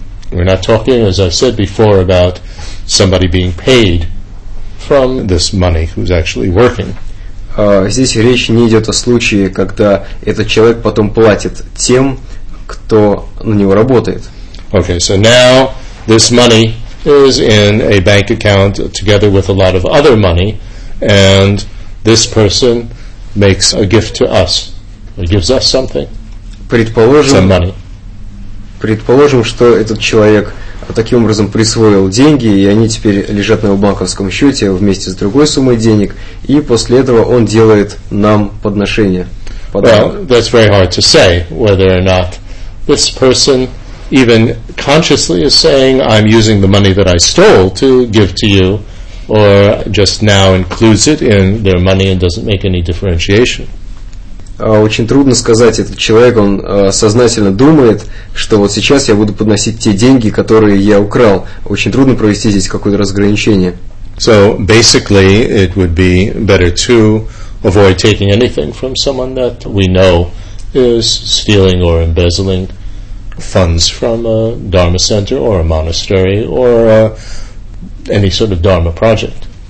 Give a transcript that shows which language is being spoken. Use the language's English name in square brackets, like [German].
[English] We're not talking, as I said before, about somebody being paid from this money who's actually working. [Russian] Здесь речь не идет о случае, когда этот человек потом платит тем, кто на него работает. [English] Okay, so now this money is in a bank account together with a lot of other money, and this person makes a gift to us, or gives us something, some money. [Russian] Предположим, что этот человек таким образом присвоил деньги, и они теперь лежат на его банковском счете вместе с другой суммой денег, и после этого он делает нам подношение. [English] Well, that's very hard to say whether or not this person even consciously is saying, I'm using the money that I stole to give to you, or just now includes it in their money and doesn't make any differentiation. [Russian] Очень трудно сказать, этот человек, он сознательно думает, что вот сейчас я буду подносить те деньги, которые я украл. Очень трудно провести здесь какое-то разграничение. [English] So, basically, it would be better to avoid taking anything from someone that we know is stealing or embezzling funds from a dharma center or a monastery or any sort of dharma project.